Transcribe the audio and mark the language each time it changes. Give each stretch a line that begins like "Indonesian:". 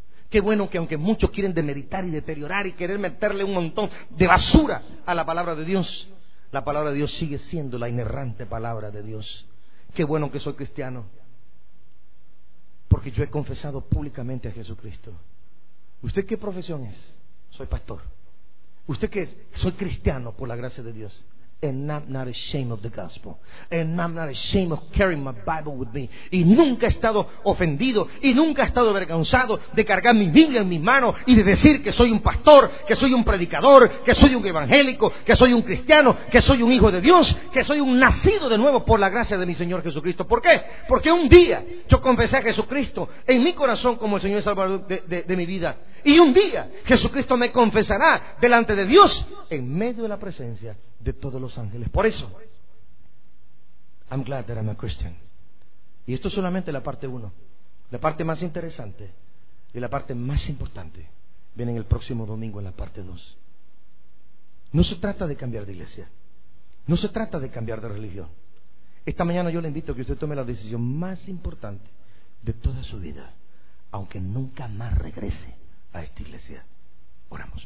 Spanish: Qué bueno que aunque muchos quieren demeritar y deteriorar y querer meterle un montón de basura a la palabra de Dios, la palabra de Dios sigue siendo la inerrante palabra de Dios. Qué bueno que soy cristiano, porque yo he confesado públicamente a Jesucristo. ¿Usted qué profesión es? Soy pastor. ¿Usted qué es? Soy cristiano por la gracia de Dios.
English: And I'm not ashamed of the gospel. And I'm not ashamed of carrying my Bible with me.
Spanish: Y nunca he estado ofendido y nunca he estado avergonzado de cargar mi Biblia en mi mano y de decir que soy un pastor, que soy un predicador, que soy un evangélico, que soy un cristiano, que soy un hijo de Dios, que soy un nacido de nuevo por la gracia de mi Señor Jesucristo. ¿Por qué? Porque un día yo confesé a Jesucristo en mi corazón como el Señor y Salvador de mi vida. Y un día Jesucristo me confesará delante de Dios en medio de la presencia de todos los ángeles. Por eso,
English: I'm glad that I'm a Christian.
Spanish: Y esto es solamente la parte uno. La parte más interesante y la parte más importante viene el próximo domingo en la parte dos. No se trata de cambiar de iglesia, no se trata de cambiar de religión. Esta mañana yo le invito a que usted tome la decisión más importante de toda su vida, aunque nunca más regrese a esta iglesia. Oramos.